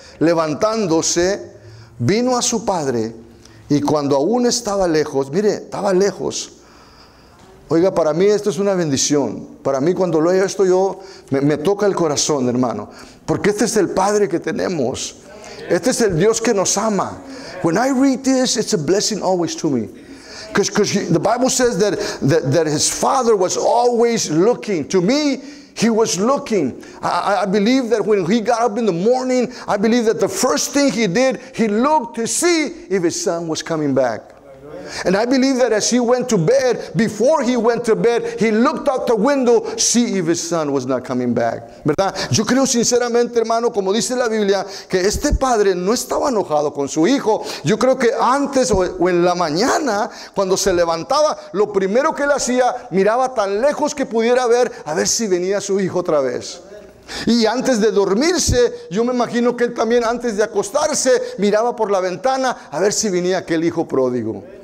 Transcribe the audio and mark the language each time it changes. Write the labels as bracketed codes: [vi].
[es] Levantándose, vino a su padre y cuando aún estaba lejos, mire, estaba lejos. Oiga, para mí esto es una bendición. Para mí cuando lo veo esto yo me toca el corazón, hermano, porque este es el Padre que tenemos. Este es el Dios que nos ama. [en] When I read this, it's a blessing always to me. Because the Bible says that his father was always looking. To me, he was looking. I believe that when he got up in the morning, I believe that the first thing he did, he looked to see if his son was coming back. And I believe that as he went to bed, before he went to bed, he looked out the window, see if his son was not coming back. [es] ¿Verdad? Yo creo sinceramente, hermano, como dice la Biblia, que este padre no estaba enojado con su hijo. Yo creo que antes o en la mañana, cuando se levantaba, lo primero que él hacía, miraba tan lejos que pudiera ver, a ver si venía su hijo otra vez. Y antes de dormirse, yo me imagino que él también antes de acostarse, miraba por la ventana, a ver si venía aquel hijo pródigo.